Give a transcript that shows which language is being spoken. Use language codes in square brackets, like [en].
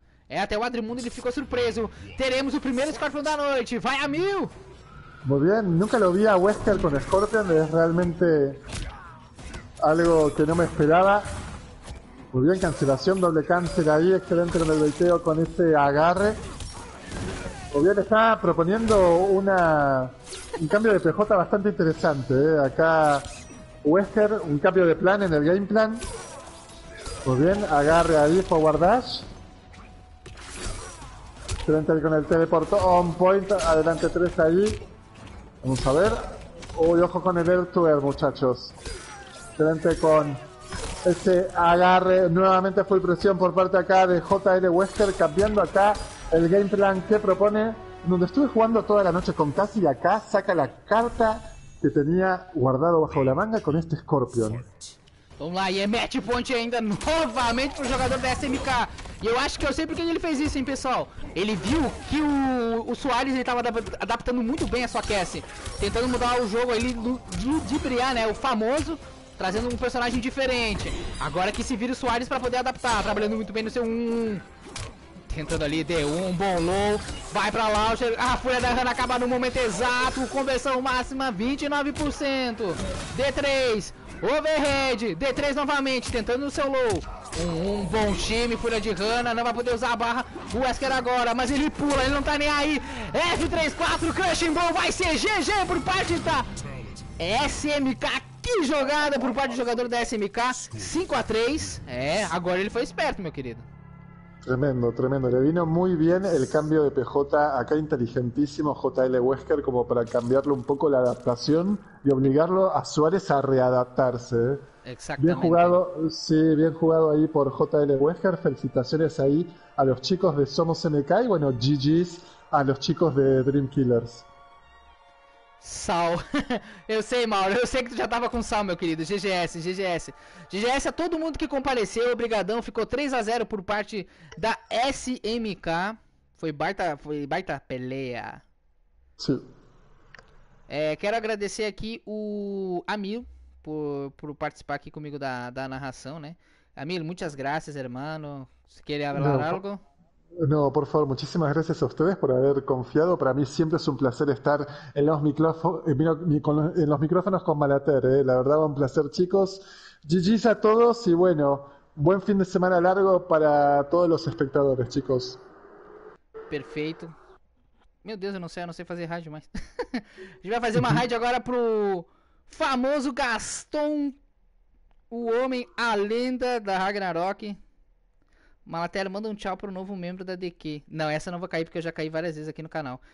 [pt] Até o Adrimundo ele ficou surpreso. Teremos o primeiro Scorpion da noite. Vai a mil! [es] Muy bien, nunca lo vi a Wesker con Scorpion. Es realmente algo que no me esperaba. Muy bien, cancelación, doble cáncer ahí. Excelente con el baiteo, con este agarre. Muy bien, está proponiendo un cambio de PJ bastante interesante, ¿eh? Acá Wesker, un cambio de plan en el game plan. Muy bien, agarre ahí, forward dash. Excelente con el teleport on point, adelante 3 ahí. Vamos a ver. Uy, ojo con el air-to-air, muchachos. Excelente con ese agarre. Nuevamente full presión por parte acá de JL Wester, cambiando acá el game plan que propone. Donde estuve jugando toda la noche con Cassie, acá saca la carta que tenía guardado bajo la manga con este Scorpion. [pt] Vamos lá, e é match point ainda novamente pro jogador da SMK. E eu acho que eu sei porque ele fez isso, hein, pessoal. Ele viu que o Suárez ele tava adaptando muito bem a sua Cassie. Tentando mudar o jogo ali de Briar, né, o famoso, trazendo um personagem diferente. Agora que se vira o Suárez pra poder adaptar, trabalhando muito bem no seu 1. Tentando ali, D1, bom low, vai pra launcher. A fúria da Hanna acaba no momento exato, conversão máxima 29%. D3. Overhead, D3 novamente, tentando o seu low. Um bom time, fúria de Hanna, não vai poder usar a barra. O Wesker agora, mas ele pula, ele não tá nem aí. F3, 4, crushing ball, vai ser GG por parte da SMK. Que jogada por parte do jogador da SMK. 5-3, agora ele foi esperto, meu querido. [es] Tremendo, tremendo, le vino muy bien el cambio de PJ, acá inteligentísimo JL Wesker como para cambiarle un poco la adaptación y obligarlo a Suárez a readaptarse. Exactamente. Bien jugado, sí, bien jugado ahí por JL Wesker, felicitaciones ahí a los chicos de Somos NK y bueno, GG's a los chicos de Dream Killers. [pt] Sal, eu sei, Mauro, eu sei que tu já tava com sal, meu querido, GGS a todo mundo que compareceu, obrigadão, ficou 3-0 por parte da SMK, Foi baita peleia. Sim. É, quero agradecer aqui o Amil por participar aqui comigo da narração, né? Amil, muitas graças, hermano. Se quer falar [es] No. [pt] algo? [es] No, por favor, muchísimas gracias a ustedes por haber confiado. Para mí siempre es un placer estar en los micrófonos, en los micrófonos con Malater. La verdad, un placer, chicos. GG's a todos y bueno, buen fin de semana largo para todos los espectadores, chicos. [pt] Perfeito. Meu Deus, eu não sei fazer rádio mais. A gente vai fazer uma rádio agora pro famoso Gaston, o homem, a lenda da Ragnarok. Malatera, manda um tchau pro novo membro da DQ. Não, essa eu não vou cair porque eu já caí várias vezes aqui no canal.